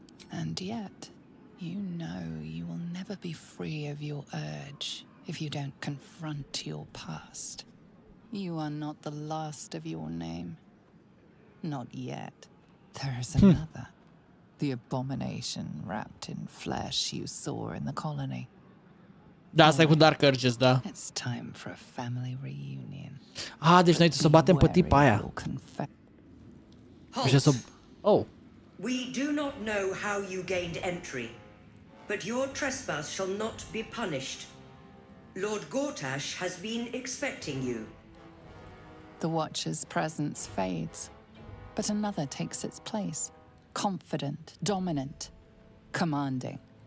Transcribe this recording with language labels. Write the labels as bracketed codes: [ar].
[en] And yet, you know you will never be free of your urge if you don't confront your past. You are not the last of your name. Not yet. There is another. The abomination wrapped in flesh you saw in the colony. [ro] Da, asta e cu Dark Urges, da. [en] It's time for a family reunion. [ro] Ah, deci noi trebuie să batem pe tipa aia. [en] Halt! Oh. We do not know how you gained entry, but your trespass shall not be punished. Lord Gortash has been expecting you. The Watcher's presence fades. But another takes its place, confident, dominant, commanding.